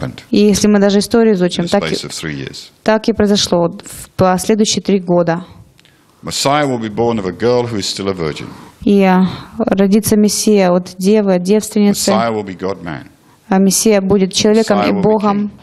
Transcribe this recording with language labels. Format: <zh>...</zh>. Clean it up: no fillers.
<ru>И если мы даже историю изучим, так и произошло в последующие три года.</ru> <en>Messiah will be born of a girl who is still a virgin.</en> <ru>И родится Мессия от девы, от девственницы.</ru> <en>Messiah will be God-man.</en> <ru>Мессия будет человеком и Богом.</ru>